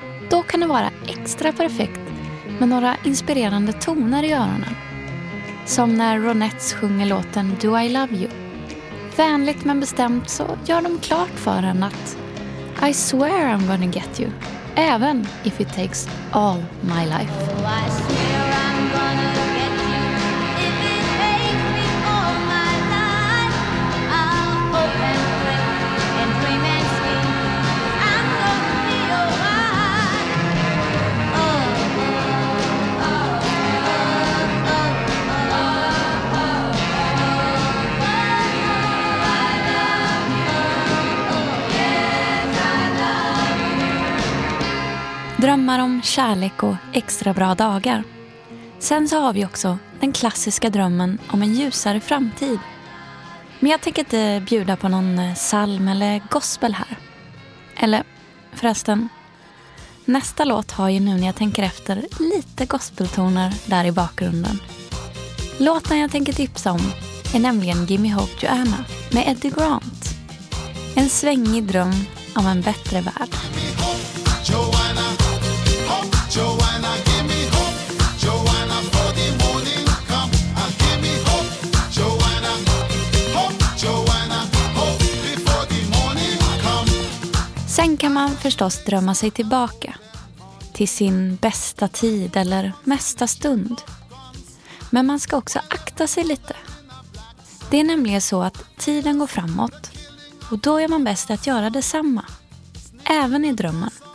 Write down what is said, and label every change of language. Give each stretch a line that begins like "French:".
Swedish: Då kan det vara extra perfekt med några inspirerande toner i öronen. Som när Ronettes sjunger låten Do I Love You. Vänligt men bestämt så gör de klart för en att
English: I swear I'm gonna get you, even if it takes all my life. Oh, I swear I'm gonna get you, if it takes me all my life. I'll hope and pray and dream and scheme, I'm gonna be your wife.
Swedish: Drömmar om kärlek och extra bra dagar. Sen så har vi också den klassiska drömmen om en ljusare framtid. Men jag tänker inte bjuda på någon psalm eller gospel här. Eller, förresten, nästa låt har ju nu när jag tänker efter lite gospeltoner där i bakgrunden. Låten jag tänker tipsa om är nämligen Gimme Hope Joanna med Eddie Grant. En svängig dröm om en bättre värld.
English: Joanna, give me hope, Joanna, for the morning come. Give me hope, Joanna, hope before the morning come.
Swedish: Sen kan man förstås drömma sig tillbaka till sin bästa tid eller mesta stund. Men man ska också akta sig lite. Det är nämligen så att tiden går framåt och då är man bäst att göra detsamma. Även i drömmen.